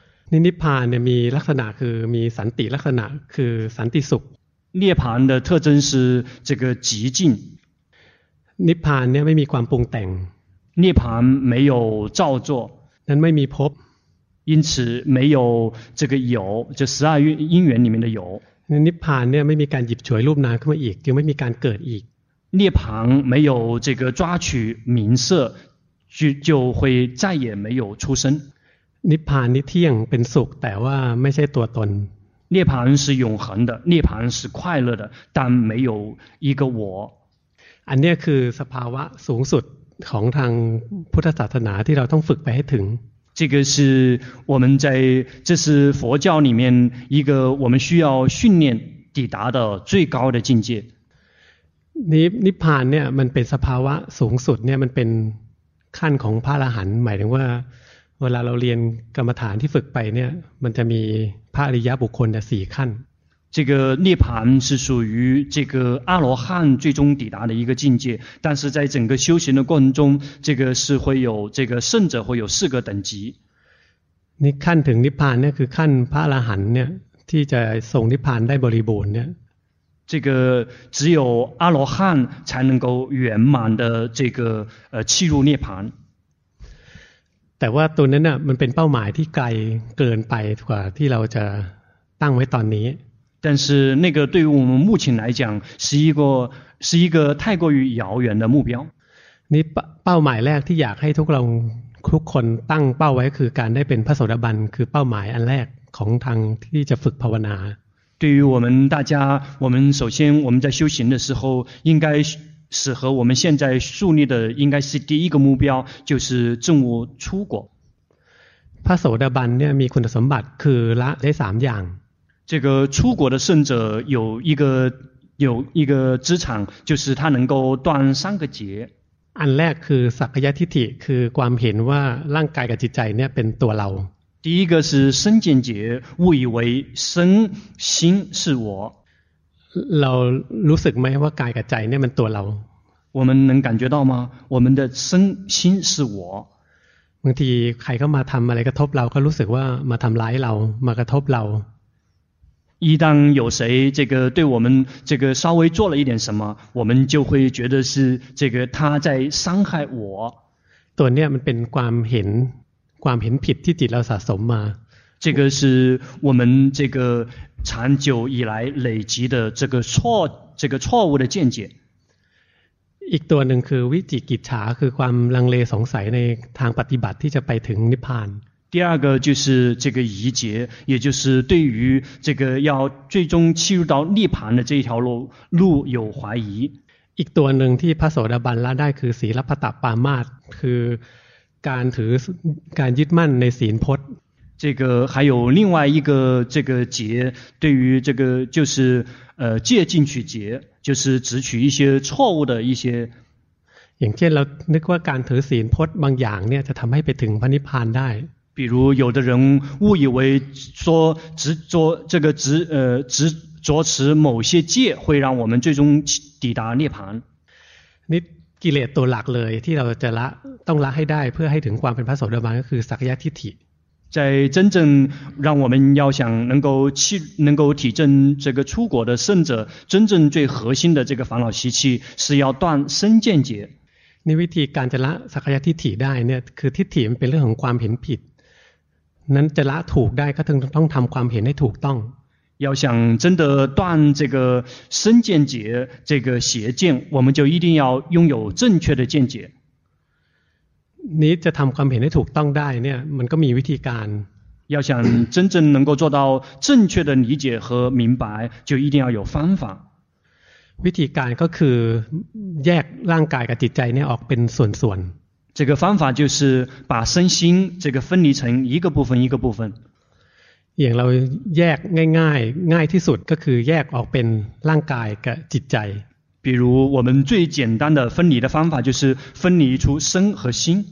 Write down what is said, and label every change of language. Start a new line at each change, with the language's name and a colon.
Thai: นิพพานเนี่ยมีลักษณะคือมีสันติลักษณะคือสันติสุข
Chinese: 涅槃的特征是这个极静
Thai: นิพพานเนี่ยไม่มีความปรุงแต่ง
Chinese: 涅槃没有造作
Thai: นั้นไม่มีภพ
Chinese: 因此没有这个有就十二因缘里面的有
Thai: นิพพานเนี่ยไม่มีการหยิบฉวยรูปนามขึ้นมาอีกจึงไม่มีการเกิดอีก
Chinese: 涅槃没有这个抓取名色就会再也没有出生
Thai: นิพพานนี่เที่ยงเป็นสุขแต่ว่าไม่ใช่ตัวตน
Chinese: 涅槃是永恒的涅槃是快乐的但没有一个我
Thai: อันนี้คือสภาวะสูงสุดของทางพุทธศาสนาที่เราต้องฝึกไปให้ถึง
Chinese: 这个是我们在这是佛教里面一个我们需要训练抵达的最高的境界
Thai: นิพพานเนี่ยมันเป็นสภาวะสูงสุดเนี่ยมันเป็นขั้นของพระอรหันต์หมายถึงว่าเวลาเราเรียนกรรมฐานที่ฝึกไปเนี่ยมันจะมีพระอริยบุคคลสี่ขั้น
Chinese: 这个涅槃是属于这个阿罗汉最终抵达的一个境界但是在整个修行的过程中这个是会有这个圣者会有四个等级
Thai: นี่ขั้นถึงนิพพานเนี่ยคือขั้นพระอรหันต์เนี่ยที่จะส่งนิพพานได้บริบูรณ์เนี่ย
Chinese: 这个只有阿罗汉才能够圆满的这个契入涅槃
Thai: แต่ว่าตัวนั้นน่ะมันเป็นเป้าหมายที่ไกลเกินไปกว่าที่เราจะตั้งไว้ตอนนี้
Chinese: 但是那个对于我们目前来讲是一个是一个太过于遥远的目标。
Thai: นี่เป้าหมายแรกที่อยากให้ทุกเราทุกคนตั้งเป้าไว้คือการได้เป็นพระโสดาบันคือเป้าหมายอันแรกของทางที่จะฝึกภาวนา
Chinese: 对于我们大家我们首先我们在修行的时候应该适合我们现在树立的应该是第一个目标就是证悟出果
Thai: พระโสดาบันเนี่ยมีคุณสมบัติคือละได้3อย่าง
Chinese: 这个出果的圣者有一个资产就是他能够断三个结
Thai: อันแรกคือสักกายทิฏฐิคือความเห็นว่าร่างกายกับจิตใจเนี่ยเป็นตัวเรา
Chinese: 第一个是身见解误以为身心是我
Thai: เรารู้สึกไหมว่ากายกับใจเนี่ยมันตัวเรา
Chinese: 我们能感觉到吗我们的身心是我
Thai: บางทีใครเข้ามาทำอะไรกระทบเราก็รู้สึกว่ามาทำร้ายเรามากระทบเรา
Chinese: 一旦有谁这个对我们这个稍微做了一点什么我们就会觉得是这个他在伤害我
Thai: ตัวเนี่ยมันเป็นความเห็นผิดที่จิตเราสะสมมา
Chinese: 这个是我们这个长久以来累积的这个错误的见解
Thai: อีกตัวหนึ่งคือวิจิกิจฉาคือความลังเลสงสัยในทางปฏิบัติที่จะไปถึงนิพพาน
Chinese: 第二个就是这个疑结也就是对于这个要最终契入到涅槃的这一条路有怀疑
Thai: อีกตัวหนึ่งที่พระโสดาบันละได้คือศีลัพพตปามาสคือการถือการยึดมั่นในศีลพจน์
Chinese: 这个还有另外一个这个结对于这个就是戒禁取结就是只取一些错误的一些
Thai: อย่างเช่นเรานึกว่าการถือศีลพจน์บางอย่างเนี่ยจะทำให้ไปถึงพระนิพพานได้
Chinese: 比如有的人误以为说执着这个执着持某些戒会让我们最终抵达涅槃
Thai: นี่กิเลสตัวหลักเลยที่เราจะละต้องละให้ได้เพื่อให้ถึงความเป็นพระโสดาบันก็คือสักกายทิฏฐิ
Chinese: 在真正让我们要想能够体证这个出果的圣者真正最核心的这个烦恼习气是要断身见解
Thai: นี่วิธีการจะละสักกายทิฏฐิได้เนี่ยคือทิฏฐิมันเป็นเรื่องของความเห็นผิดนั้นจะละถูกได้ก็ต้องทำความเห็นให้ถูกต้อง
Chinese: 要想真的断这个身见解这个邪见我们就一定要拥有正确的见解
Thai: นี้จะทำความเห็นให้ถูกต้องได้เนี่ยมันก็มีวิธีการ
Chinese: 要想真正能够做到正确的理解和明白就一定要有方法
Thai: วิธีการก็คือแยกร่างกายกับจิตใจเนี่ยออกเป็นส่วนๆ
Chinese: 这个方法就是把身心这个分离成一个部分一个部分
Thai: อย่างเราแยกง่ายที่สุดก็คือแยกออกเป็นร่างกายกับจิตใจ
Chinese: 比如我们最简单的分离的方法就是分离出身和心